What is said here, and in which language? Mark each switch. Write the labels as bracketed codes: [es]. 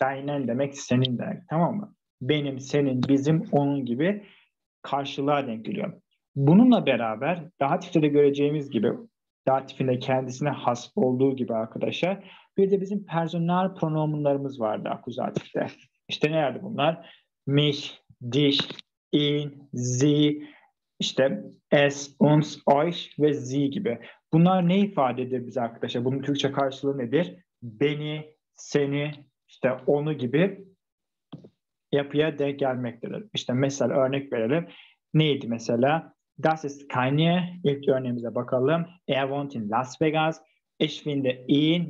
[tr] Deinen demek senin demek. Tamam mı? Benim, senin, bizim, onun gibi karşılığa denk geliyor. Bununla beraber datifte de göreceğimiz gibi datifinde kendisine has olduğu gibi arkadaşlar bir de bizim personal pronomenlarımız vardı akuzatifte. İşte nelerdi bunlar? [de] Mich, dich, ihn, sie, işte es, uns, euch ve sie gibi. [tr] Bunlar ne ifade eder bize arkadaşlar? Bunun Türkçe karşılığı nedir? Beni, seni, işte onu gibi yapıya denk gelmektedir. İşte mesela örnek verelim. Neydi mesela? [de] Das ist keine. [tr] İlk örneğimize bakalım. [de] Er wohnt in Las Vegas. Ich finde ihn.